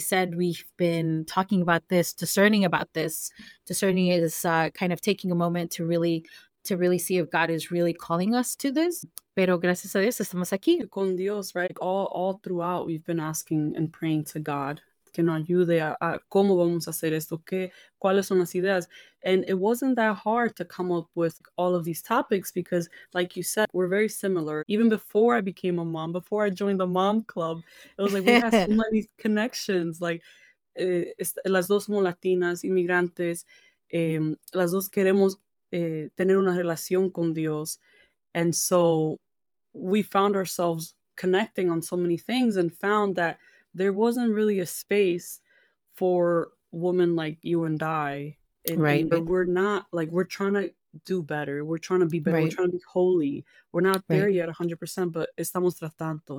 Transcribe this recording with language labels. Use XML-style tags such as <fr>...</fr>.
<en>We've been talking about this, discerning about this. Discerning is kind of taking a moment to really see if God is really calling us to this.</en> <es>Pero gracias a Dios, estamos aquí. Con Dios, right?</es> <en>All throughout, we've been asking and praying to God.</en> <es>Que nos ayude a cómo vamos a hacer esto, cuáles son las ideas.</es> <en>And it wasn't that hard to come up with all of these topics because, like you said, we're very similar. Even before I became a mom, before I joined the mom club, it was like we had so many connections.</en> <es>Like, las dos somos latinas, inmigrantes, las dos queremos tener una relación con Dios.</es> <en>And so we found ourselves connecting on so many things and found that there wasn't really a space for women like you and I. But we're not, like, we're trying to do better. We're trying to be better. Right. We're trying to be holy. We're not there yet 100%, but</en> <es>estamos tratando.</es>